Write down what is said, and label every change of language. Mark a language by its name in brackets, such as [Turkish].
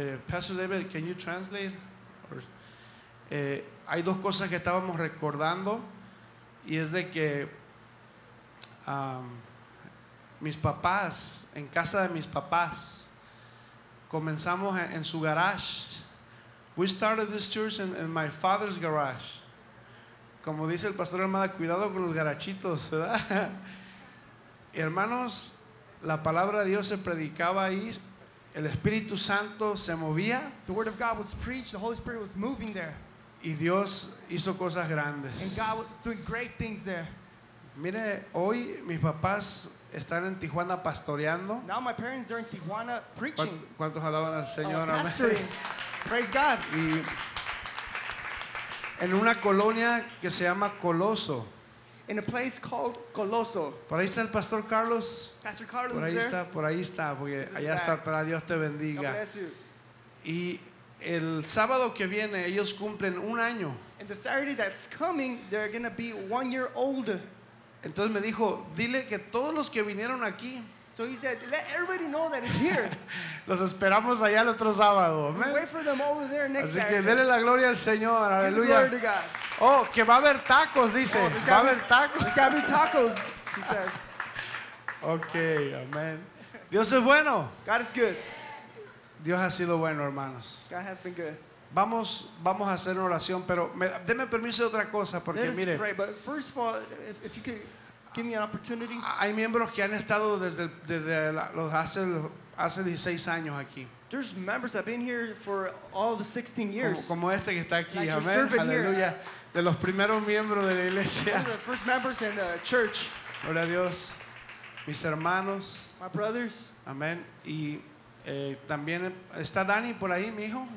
[English] Pastor David, can you translate? [Spanish] Hay dos cosas que estábamos recordando, y es de que mis papás, en casa de mis papás, comenzamos en su garage. [English] We started this church in my father's garage. [Spanish] Como dice el pastor Armada, cuidado con los garachitos, ¿verdad? Hermanos, la palabra de Dios se predicaba ahí, el Espíritu Santo se movía. [English] The word of God was preached, the Holy Spirit was moving there. [Spanish] Y Dios hizo cosas grandes. [English] And God was doing great things there. [Spanish] Mire, hoy mis papás están en Tijuana pastoreando. [English] Now my parents are in Tijuana preaching. [Spanish] ¿Cuántos alaban al Señor? [English] Pastoring. Praise God. [Spanish] Y en una colonia que se llama Coloso. [English] In a place called Coloso. [Spanish] Por ahí está el pastor Carlos. [English] Pastor Carlos. [Spanish] Por ahí [English] is [Spanish] está, [English] there. [Spanish] Por ahí está, porque allá está atrás. Dios te bendiga. [English] God bless you. [Spanish] Y el sábado que viene ellos cumplen un año. [English] And the Saturday that's coming, they're gonna be 1 year old. [Spanish] Entonces me dijo, dile que todos los que vinieron aquí. [English] So he said, let everybody know that it's here. [Spanish] Los esperamos allá el otro sábado. [English] We'll wait for them over there next Saturday. [Spanish] Así que dele la gloria al Señor. Aleluya. [English] Glory to God. [Spanish] Oh, que va a haber tacos, dice. Oh, va a haber tacos. [English] There's gotta be tacos, he says. [Spanish] Okay, amen. Dios es bueno. [English] God is good. [Spanish] Dios ha sido bueno, hermanos. [English] God has been good. [Spanish] Vamos a hacer una oración, pero deme permiso de otra cosa, porque [English] let us [Spanish] mire. [English] Pray, but first of all, if you could give me an opportunity. [Spanish] Hay miembros que han estado desde los hace 16 años aquí. [English] There's members that have been here for all the 16 years. [Spanish] Como este que está aquí, amén. Aleluya. [English] Here. [Spanish] De los primeros miembros de la iglesia. [English] One of the first members in the church. [Spanish] Gloria a Dios. Mis hermanos. [English] My brothers. [Spanish] Amén. Y también está Dani por ahí, mi hijo.